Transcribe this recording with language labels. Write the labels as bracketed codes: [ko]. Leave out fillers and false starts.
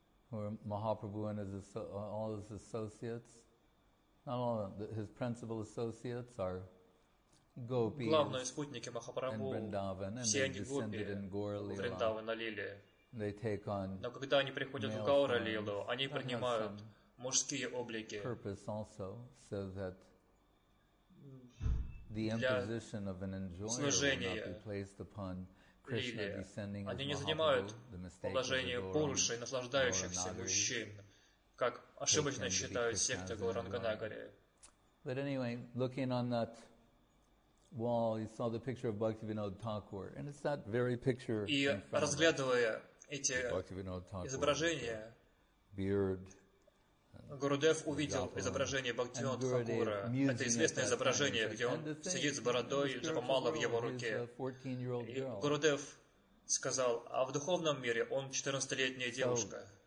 [en] Махапрабху и all his associates. Not all his principal associates are gopis. [ru] Главные спутники Махапрабху, [en] in Vrindavan, and [ru] все они гопи, в Вриндаване лили. [en] They take on. [ru] Но когда они приходят в Гауралилу, они принимают мужские облики. [en] Purpose also, so that the imposition of an enjoyer will not be placed upon Krishna descending as Mahaprabhu. [ru] Они не занимают положение Пурши, наслаждающихся мужчин, как ошибочно считают секты Гауранганагари. [en] But anyway, looking on that wall, you saw the picture of Bhaktivinoda Thakur, and it's that very picture. [ru] И разглядывая эти изображения, [en] beard. [ru] Гурудев увидел изображение Бхактивинода Тхакура. Это известное изображение, где он сидит с бородой, джапамала в его руке. И Гурудев сказал, а в духовном мире он 14-летняя девушка.